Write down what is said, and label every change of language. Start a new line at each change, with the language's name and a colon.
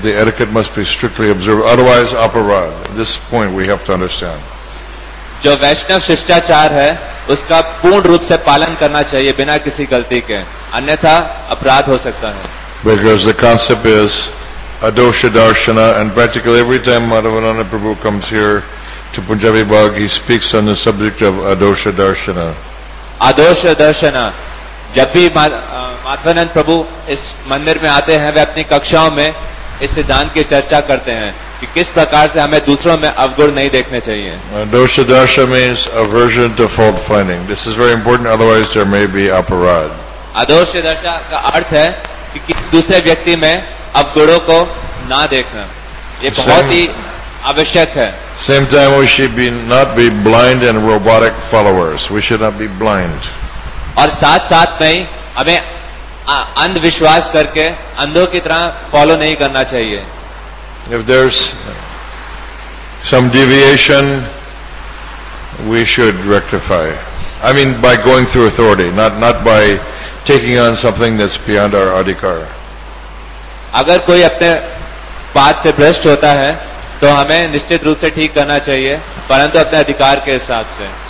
English: The etiquette must be strictly observed. Otherwise, aparad. This point we have to understand.
Hindi: जो वैष्णव शिष्टाचार है उसका पूर्ण रूप से पालन करना चाहिए बिना किसी गलती के, अन्यथा अपराध हो सकता है.
English: Because the concept is adosha darshana, and practically every time Madhavananda Prabhu comes here to Punjabi Bagh, he speaks on the subject of adosha darshana. Adosha darshana.
Hindi: जब भी माधवानंद प्रभु इस मंदिर में आते हैं वे अपनी कक्षाओं में इस सिद्धांत की चर्चा करते हैं कि किस प्रकार से हमें दूसरों में अवगुण नहीं देखने चाहिए.
English: Dosha darsha means aversion to fault finding. This is very important, otherwise there may be aparad.
Hindi: Adosha darsha का अर्थ है कि दूसरे व्यक्ति में अवगुणों को ना देखना. ये बहुत ही आवश्यक है.
English: Same time we should be not be blind and robotic followers. We should not be blind.
Hindi: और साथ साथ नहीं हमें अंधविश्वास करके अंधों की तरह फॉलो नहीं करना चाहिए.
English: If there's some deviation, we should rectify. I mean, by going through authority, not by taking on something that's beyond our adhikar.
Hindi: अगर कोई अपने बात से भ्रष्ट होता है, तो हमें निश्चित रूप से ठीक करना चाहिए, परंतु अपने अधिकार के हिसाब से.